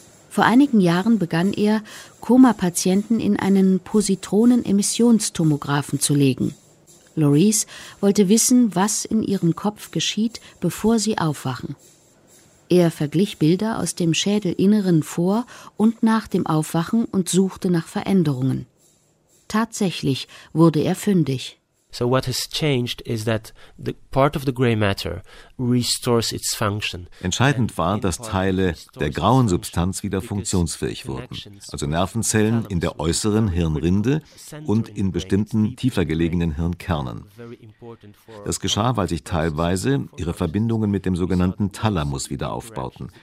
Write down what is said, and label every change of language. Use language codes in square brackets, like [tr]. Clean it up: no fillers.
[de] Vor einigen Jahren begann er, Koma-Patienten in einen Positronen-Emissionstomographen zu legen. Lorries wollte wissen, was in ihrem Kopf geschieht, bevor sie aufwachen. Er verglich Bilder aus dem Schädelinneren vor und nach dem Aufwachen und suchte nach Veränderungen. Tatsächlich wurde er fündig. [en] So what has changed is that the part of the gray matter restores its function. [de] Entscheidend war, dass Teile der grauen Substanz wieder funktionsfähig wurden. Also Nervenzellen in der äußeren Hirnrinde und in bestimmten tiefer gelegenen Hirnkernen. Das geschah, weil sich teilweise ihre Verbindungen mit dem sogenannten Thalamus wieder aufbauten.